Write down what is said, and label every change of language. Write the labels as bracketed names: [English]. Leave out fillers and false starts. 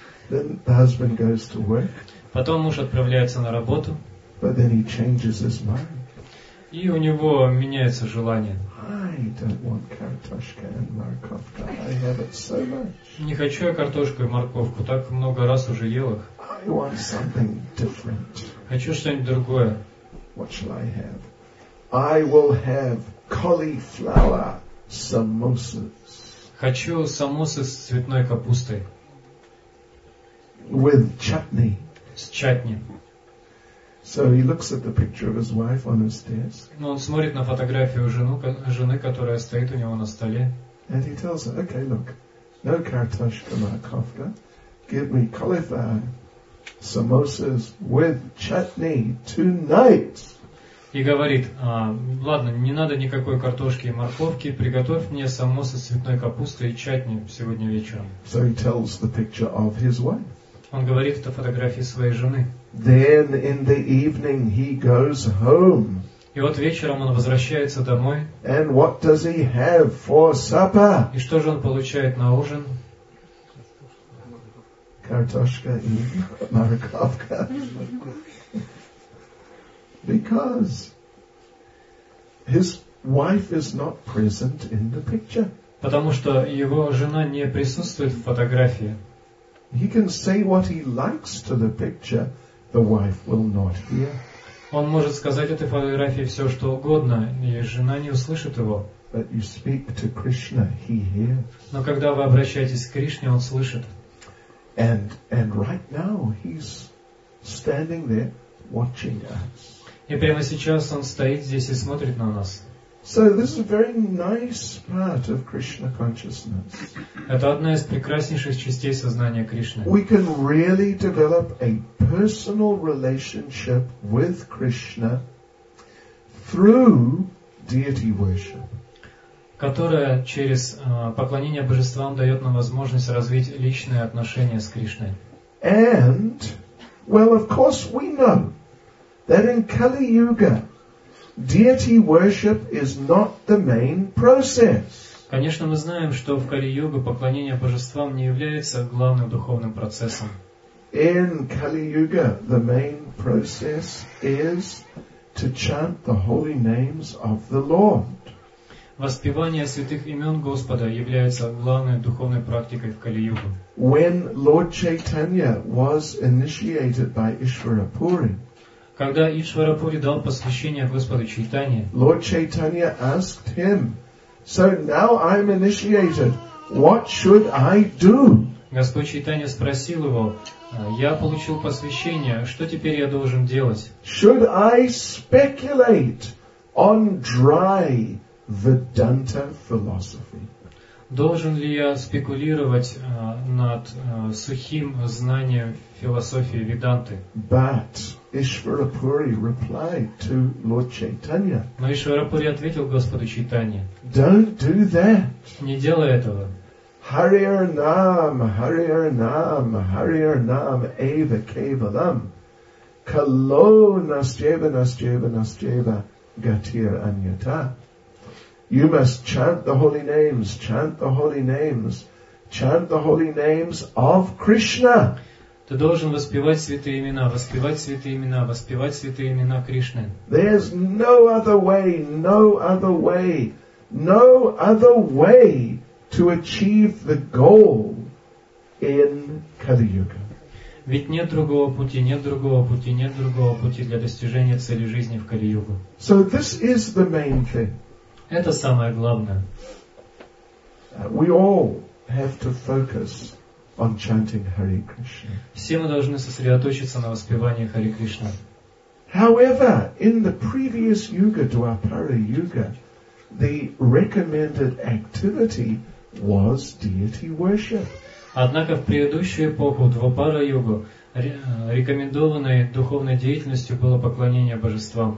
[English] Then the husband goes to work. [Russian] Потом муж отправляется на работу. [English] But then he changes his mind. [Russian] И у него меняется желание. [English] I don't want [Russian] картошка [English] and [Russian] морковка. [English] I have it so much. [Russian] Не хочу я картошку и морковку. Так много раз уже ел их. [English] I want something different. [Russian] Хочу что-нибудь другое. [English] What shall I have? I will have cauliflower samosas. [Russian] Хочу самосы с цветной капустой. [English] With chutney. [Russian] С чатни. [English] So he looks at the picture of his wife on his desk. [Russian] Ну, он смотрит на фотографию жены, которая стоит у него на столе. [English] And he tells her, okay, look, no [Russian] kartoshka markovka, [English] give me cauliflower samosas with chutney tonight. [Russian] И говорит, ладно, не надо никакой картошки и морковки, приготовь мне самосы с цветной капустой и чатни сегодня вечером. [English] So he tells the picture of his wife. [Russian] Он говорит это фотографии своей жены. [English] Then in the evening he goes home. [Russian] И вот вечером он возвращается домой. [English] And what does he have for supper? [Russian] И что же он получает на ужин? Картошка и морковка. [English] Because his wife is not present in the picture. [Russian] Потому что его жена не присутствует в фотографии. [English] He can say what he likes to the picture, the wife will not hear. [Russian] Он может сказать этой фотографии все, что угодно, и жена не услышит его. [English] But you speak to Krishna, he hears. [Russian] Но когда вы обращаетесь к Кришне, он слышит. [English] And right now he's standing there watching us. [Russian] И прямо сейчас он стоит здесь и смотрит на нас. [English] So this is a very nice part of Krishna consciousness. [Russian] Это одна из прекраснейших частей сознания Кришны. [English] We can really develop a personal relationship with Krishna through deity worship. [Russian] Которая через поклонение божествам дает нам возможность развить личные отношения с Кришной. [English] And, well, of course we know that in Kali Yuga, deity worship is not the main process. [Russian] Конечно, мы знаем, что в Кали-йоге поклонение божествам не является главным духовным процессом. [English] In Kali-yuga, the main process is to chant the holy names of the Lord. [Russian] Воспевание святых имен Господа является главной духовной практикой в Кали-йоге. [English] When Lord Chaitanya was initiated by Ishvara Puri, [Russian] когда Ишвара Пури дал посвящение Господу Чайтанье, [English] Lord Chaitanya asked him, so now I'm initiated, what should I do? [Russian] Господь Чайтанья спросил его, я получил посвящение, что теперь я должен делать? [English] Should I speculate on dry Vedanta philosophy? [Russian] Должен ли я спекулировать над сухим знанием философии Веданты? [English] But Ishvara Puri replied to Lord Chaitanya. [Russian] Но Ишвара Пури ответил Господу Чайтанье. [English] Don't do that. [Russian] Не делай этого. [Sanskrit] Hariyar Nam, Hariyar Nam, Hariyar Nam, Eva Kevalam. Kalo Nasjeva Nasjeva Nasjeva Gatir Anyata. [English] You must chant the holy names, chant the holy names, chant the holy names of Krishna. [Russian] Ты должен воспевать святые имена, воспевать святые имена, воспевать святые имена Кришны. [English] There's no other way, no other way, no other way to achieve the goal in Kali Yuga. [Russian] Ведь нет другого пути, нет другого пути, нет другого пути для достижения цели жизни в Кали Юге. [English] So this is the main thing. [Russian] Это самое главное. [English] We all have to focus on chanting Hare Krishna. [Russian] Все мы должны сосредоточиться на воспевании Хари Кришны. [English] However, in the previous yuga, Dwapara Yuga, the recommended activity was deity worship. [Russian] Однако в предыдущую эпоху Двапара Югу рекомендованной духовной деятельностью было поклонение божествам.